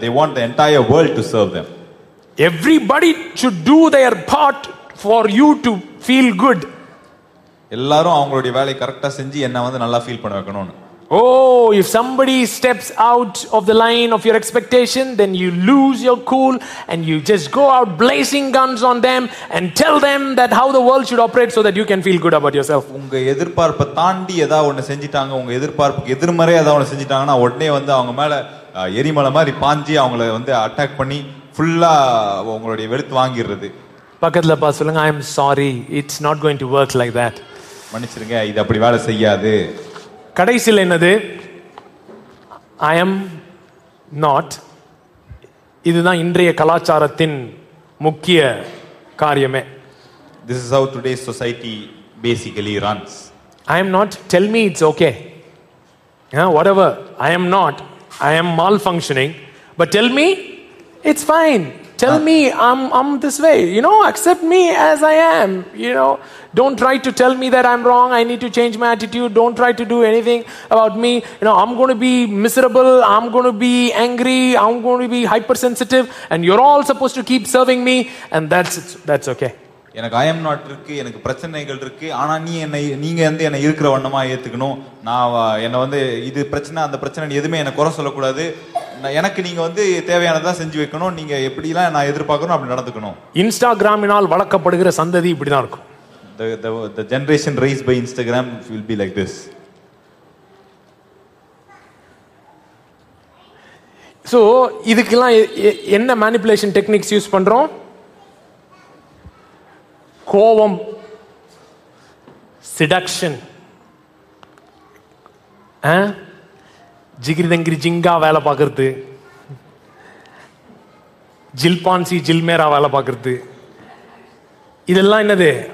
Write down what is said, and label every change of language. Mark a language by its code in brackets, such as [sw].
[en] They want the entire world to serve them. Everybody should do their part for you to feel good. [ta] எல்லாரும் அவங்களுடைய வேலையை கரெக்ட்டா செஞ்சு என்ன வந்து நல்லா ஃபீல் பண்ண வைக்கணும்னு. [en] Oh, if somebody steps out of the line of your expectation, then you lose your cool and you just go out blazing guns on them and tell them that how the world should operate so that you can feel good about yourself. [ta] உங்க எதிர்பார்ப்ப தாண்டி எதா ஒன்னு செஞ்சிட்டாங்க, உங்க எதிர்பார்ப்புக்கு எதிர்மறையா எதா ஒன்னு செஞ்சிட்டாங்கனா உடனே வந்து அவங்க மேல எரிமலை மாதிரி பாஞ்சி அவங்கள வந்து அட்டாக் பண்ணி ஃபுல்லா அவங்களுடைய வெளுத்து வாங்கிறது. பக்கத்துல பா சொல்லுங்க, [en] I am sorry, it's not going to work like that. [ta] மன்னிச்சிருங்க, இது அப்படி வேலை செய்யாது. கடைசியில் என்னது? I am not. இதுதான் இன்றைய கலாச்சாரத்தின் முக்கிய காரியமே. [en] This is how today's society basically runs. I am not, tell me it's okay. Yeah, whatever, I am not, I am malfunctioning, but tell me it's fine. Tell me I'm this way. You know, accept me as I am. You know, don't try to tell me that I'm wrong. I need to change my attitude. Don't try to do anything about me. You know, I'm going to be miserable. I'm going to be angry. I'm going to be hypersensitive. And you're all supposed to keep serving me. And that's okay. [ta] எனக்கு ஐயம் not இருக்கு, எனக்கு பிரச்சனைகள் இருக்கு, ஆனா நீ என்னை, நீங்க வந்து என்னை இருக்கிற வண்ணமா ஏத்துக்கணும். நான் என்னை வந்து இது பிரச்சனை அந்த பிரச்சனை எதுவுமே என்னை குறை சொல்லக்கூடாது. எனக்கு நீங்க வந்து தேவையானதான் செஞ்சு வைக்கணும். நீங்க எப்படிலாம் நான் எதிர்பார்க்கணும் அப்படி நடந்துக்கணும். இன்ஸ்டாகிராமினால் வளர்க்கப்படுகிற சந்ததி இப்படிதான் இருக்கும். [en] The generation raised by Instagram will be like this. [ta] So இதுக்கெல்லாம் என்ன மேனிபுலேஷன் டெக்னிக்ஸ் யூஸ் பண்றோம்? கோபம், செடக்ஷன், ஜிகிரி தங்கிரி ஜிங்கா வேலை பார்க்கறது, ஜில்பான்சி ஜில்மேரா வேலை பார்க்கறது, இதெல்லாம் என்னது?